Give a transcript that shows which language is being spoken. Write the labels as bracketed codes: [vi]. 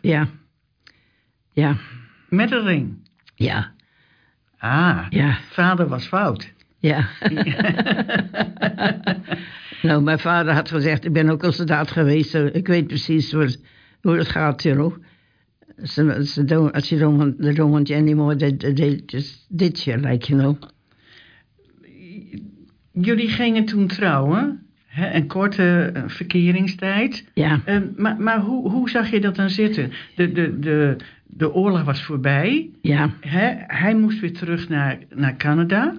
[nl] Ja. Ja. Met een ring? Ja. Ah, vader was fout. Ja. Nou, mijn vader had gezegd, ik ben ook een soldaat geweest. Ik weet precies hoe het gaat hier ook. Als je [en] don't want you anymore, they just ditch you, like, you know. [nl] Jullie gingen toen trouwen, hè, een korte verkeringstijd. Ja. Maar hoe zag je dat dan zitten? De oorlog was voorbij. Ja. Hè, hij moest weer terug naar Canada.